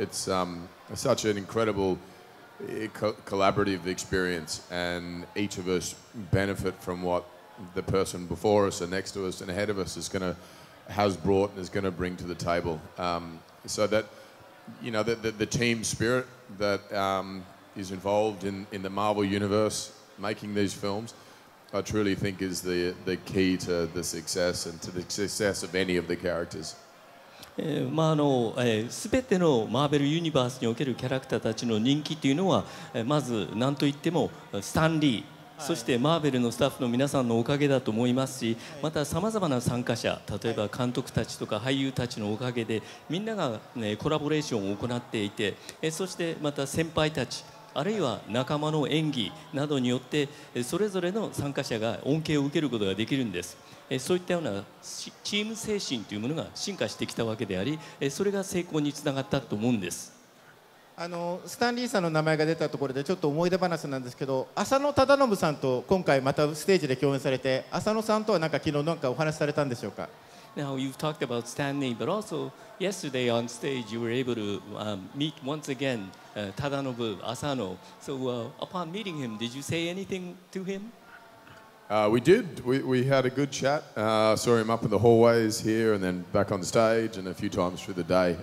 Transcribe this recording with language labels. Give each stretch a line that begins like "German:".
English: It's such an incredible collaborative experience, and each of us benefit from what the person before us and next to us and ahead of us has brought and is going to bring to the table. So that... You know, the team spirit that is involved in the Marvel Universe making these films, I truly think is the key to the success and to the success of any of the characters.
Japanese: まあすべてのマーベルユニバースにおけるキャラクターたちの人気というのは、まず何といってもスタンリー。そしてマーベルのスタッフの皆さんのおかげだと思いますし、またさまざまな参加者、例えば監督たちとか俳優たちのおかげでみんなが、ね、コラボレーションを行っていて、そしてまた先輩たち、あるいは仲間の演技などによってそれぞれの参加者が恩恵を受けることができるんです。そういったようなチーム精神というものが進化してきたわけであり、それが成功につながったと思うんです。スタンリーさんの名前が出たところでちょっと思い出話なんですけど、浅野忠信さんと今回またステージで共演されて、浅野さんとはなんか昨日なんかお話されたんでしょうか。
English: Now you've talked about Stanley, but also yesterday on stage you were able to meet once again Tadanobu Asano. So upon meeting him, did you say anything to him? We did. We had a good chat. Saw him up in the hallways here and then back on stage and a few times through the day.